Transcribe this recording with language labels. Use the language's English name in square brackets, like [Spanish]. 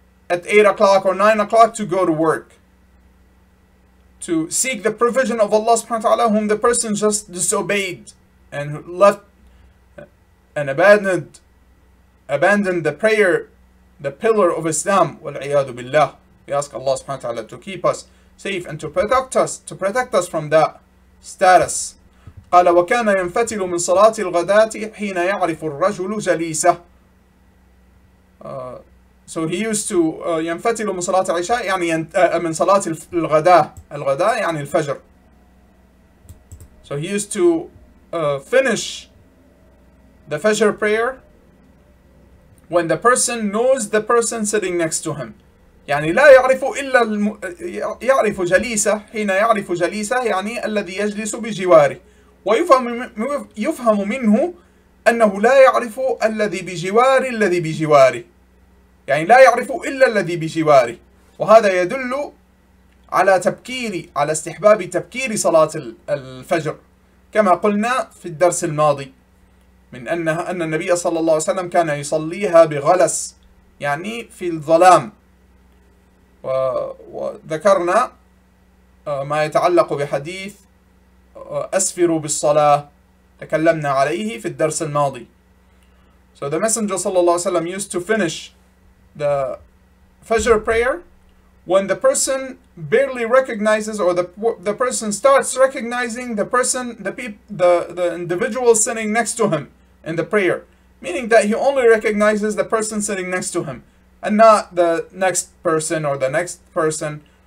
[English] at 8 o'clock or 9 o'clock to go to work, to seek the provision of Allah subhanahu wa ta'ala, whom the person just disobeyed and left and abandoned the prayer, the pillar of Islam. [Arabic] وَالْعِيَادُ بِاللَّهِ. [English] We ask Allah subhanahu wa ta'ala to keep us safe and to protect us from that status. [Arabic] قال وكان ينفتل من صلاة الغداة حين يعرف الرجل جليسة. [English] So he used to [Arabic] ينفتل من صلاة العشاء يعني من صلاة الغداة. الغداة يعني الفجر. [English] So he used to finish the Fajr prayer when the person knows the person sitting next to him. [Arabic] يعني لا يعرف إلا يعرف جليسة حين يعرف جليسة يعني الذي يجلس بجواره. ويفهم منه أنه لا يعرف الذي بجواره الذي بجواره يعني لا يعرف إلا الذي بجواره. وهذا يدل على تبكير على استحباب تبكير صلاة الفجر كما قلنا في الدرس الماضي من أن النبي صلى الله عليه وسلم كان يصليها بغلس يعني في الظلام. وذكرنا ما يتعلق بحديث أسفروا بالصلاة تكلمنا عليه في الدرس الماضي. [English] So the messenger [Arabic] صلى الله عليه وسلم [English] used to finish the Fajr prayer when the person barely recognizes or the person starts recognizing the person the individual sitting next to him in the prayer, meaning that he only recognizes the person sitting next to him and not the next person or the next person.